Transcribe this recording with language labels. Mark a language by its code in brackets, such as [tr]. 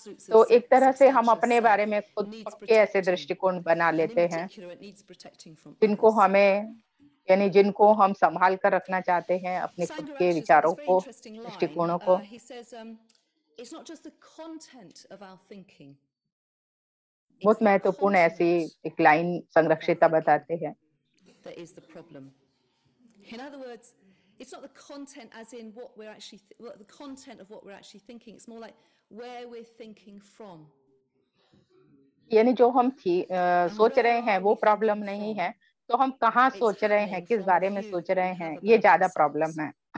[hi] तो एक तरह से हम अपने बारे में खुद के ऐसे दृष्टिकोण बना लेते हैं जिनको हमें यानी जिनको हम संभाल कर रखना चाहते हैं, अपने खुद के विचारों को, दृष्टिकोणों को। [en] It's not just the content of our thinking. [hi] बहुत महत्वपूर्ण ऐसी एक लाइन संरक्षिता बताते हैं। [en] That is the problem. In other words, it's not the content as in what we're actually the content of what we're actually thinking. It's more like where we're thinking from. [hi] यानी जो हम सोच रहे हैं वो problem नहीं है, तो हम कहाँ सोच रहे हैं, किस बारे में सोच रहे हैं, ये ज्यादा प्रॉब्लम है।